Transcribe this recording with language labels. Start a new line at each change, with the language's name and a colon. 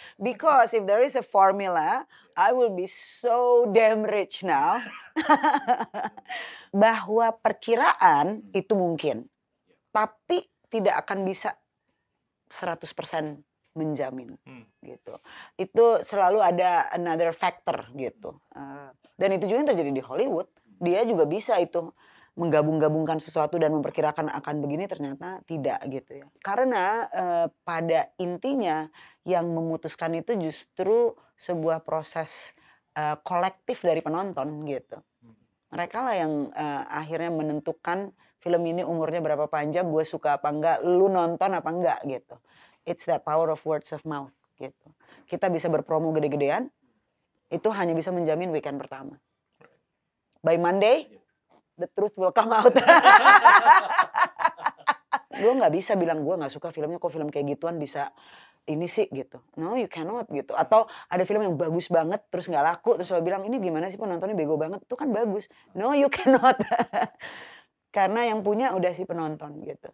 English: Because if there is a formula, I will be so damn rich now.
Indonesian: Bahwa perkiraan itu mungkin. Tapi tidak akan bisa 100% menjamin. Gitu. Itu selalu ada
English: another factor
Indonesian: gitu. Dan itu juga yang terjadi di Hollywood. Dia juga bisa itu menggabung-gabungkan sesuatu dan memperkirakan akan begini, ternyata tidak gitu ya. Karena pada intinya yang memutuskan itu justru sebuah proses kolektif dari penonton gitu. Mereka lah yang akhirnya menentukan film ini umurnya berapa panjang, gue suka apa enggak, lu nonton apa enggak gitu.
English: It's that power of words of mouth
Indonesian: gitu. Kita bisa berpromo gede-gedean, itu hanya bisa menjamin weekend pertama.
English: By Monday, the truth will come out.
Indonesian: Gue gak bisa bilang gue gak suka filmnya, kok film kayak gituan bisa ini sih gitu.
English: No, you cannot
Indonesian: gitu. Atau ada film yang bagus banget terus gak laku, terus lo bilang ini gimana sih penontonnya bego banget, itu kan bagus.
English: No, you cannot.
Indonesian: Karena yang punya udah si penonton gitu.